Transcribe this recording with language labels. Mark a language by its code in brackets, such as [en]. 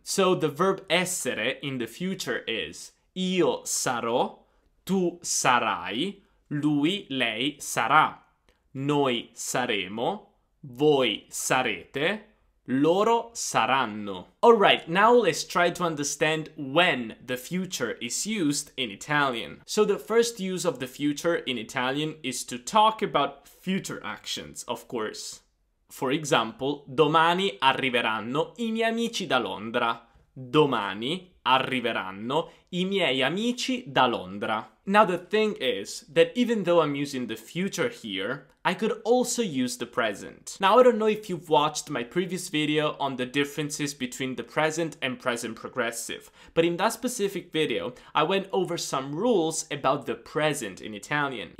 [en] So the verb essere in the future is [it] io sarò, tu sarai, lui, lei sarà, noi saremo, voi sarete, loro saranno. [en] Alright, now let's try to understand when the future is used in Italian. So the first use of the future in Italian is to talk about future actions, of course. For example, [it] domani arriveranno i miei amici da Londra. Domani arriveranno i miei amici da Londra. [en] Now the thing is that even though I'm using the future here, I could also use the present. Now, I don't know if you've watched my previous video on the differences between the present and present progressive, but in that specific video, I went over some rules about the present in Italian.